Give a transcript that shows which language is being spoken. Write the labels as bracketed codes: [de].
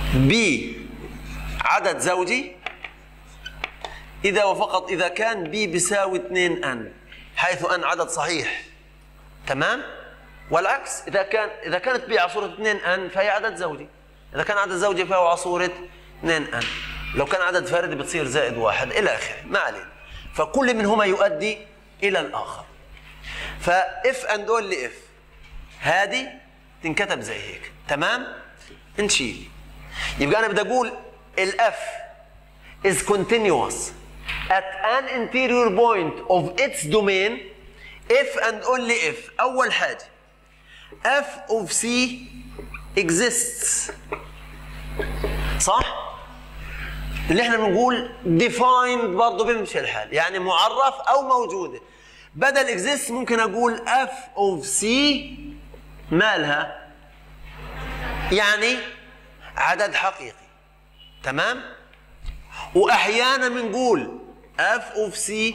[ar] B عدد زوجي، إذا وفقط إذا كان B بيساوي 2N حيث N عدد صحيح، تمام؟ والعكس إذا كان إذا كانت B عصورة 2N فهي عدد زوجي، إذا كان عدد زوجي فهو عصورة 2N، لو كان عدد فردي بتصير زائد واحد إلى آخره، ما علينا. فكل منهما يؤدي إلى الآخر. فـ [en] if and only if [ar] هذه تنكتب زي هيك، تمام؟ نشيل. يبقى أنا بدي أقول الـ [en] F is continuous at an interior point of its domain if and only if. [ar] أول حاجة [en] f of c exists، [ar] صح؟ اللي احنا بنقول defined برضو بيمشي الحال، يعني معرف او موجودة. بدل exists ممكن اقول f of c مالها؟ يعني عدد حقيقي، تمام؟ واحيانا بنقول f of c،